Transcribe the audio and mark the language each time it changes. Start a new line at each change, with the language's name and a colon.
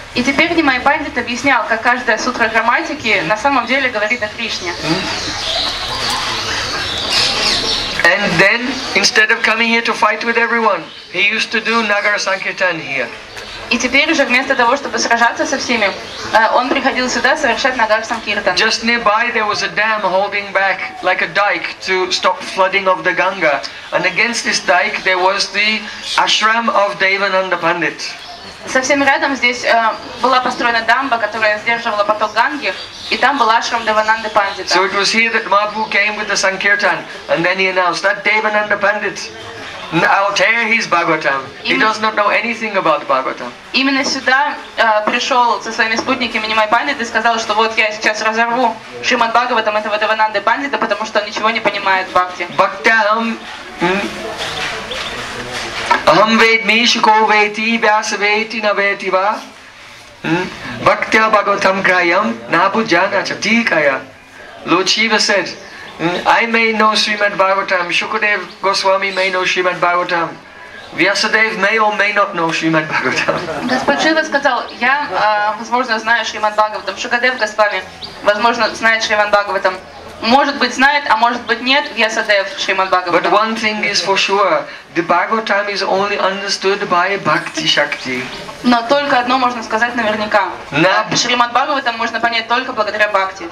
Russian: И теперь Nimai Pandit объяснял, как каждая сутра грамматики на самом деле говорит о Кришне.
English: And then, instead of coming here to fight with everyone, he used to do Nagara Sankirtan here.
Russian: И теперь уже вместо того, чтобы сражаться со всеми, он приходил сюда совершать Нагар Санкиртан.
English: Just nearby there was a dam holding back like a dike to stop flooding of the Ganga. And against this dike there was the ashram of Devananda Pandit.
Russian: Совсем рядом здесь была построена дамба, которая сдерживала поток Ганги, и там была ашрам Девананды Пандита.
English: So it was here that Mahaprabhu came with the Sankirtan, and then he announced that Devananda Pandit. I'll tear his Bhagavatam. He does not know anything about Bhagavatam.
Russian: Именно сюда пришел со своими спутниками Nimai Pandit и сказал, что вот я сейчас разорву Шримад Бхагаватам этого Девананды Пандита, потому что он ничего не понимает в бхакти.
Sanskrit: Bhaktam aham vedmi shuko veti vyasa veti na veti va bhaktya bhagavatam grahyam na bhujana chatikaya.
English: Lord Shiva said, I may know Srimad Bhagavatam, Shukadev Goswami may know Srimad Bhagavatam, Vyasadev may or may not know Srimad Bhagavatam.
Russian: Господь Шива сказал, я, возможно, знаю Шримад Бхагаватам, Шукадев Госвами, возможно, знает Шримад Бхагаватам. Может быть знает, а может быть нет, Вьясадев Шримад Бхагаватам.
English: But one thing is for sure, the Bhagavatam is only understood by Bhakti Shakti.
Russian: Но только одно можно сказать наверняка. Шримад Бхагаватам можно понять только благодаря Бхакти.